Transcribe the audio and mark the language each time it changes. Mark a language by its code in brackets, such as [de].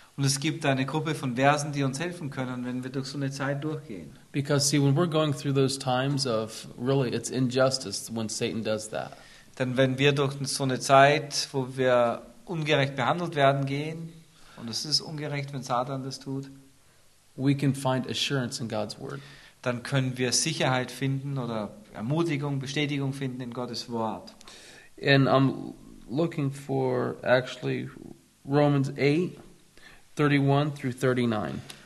[de] Und es gibt eine Gruppe von Versen, die uns helfen können, wenn wir durch so eine Zeit durchgehen. [en] Because see, when we're going through those times of really, it's injustice when Satan does that. [de] Denn wenn wir durch so eine Zeit, wo wir ungerecht behandelt werden, gehen, und es ist ungerecht, wenn Satan das tut, [en] we can find assurance in God's word. [de] Dann können wir Sicherheit finden oder Ermutigung, Bestätigung finden in Gottes Wort. [en] And I'm looking for actually Romans 8, 31 through 39.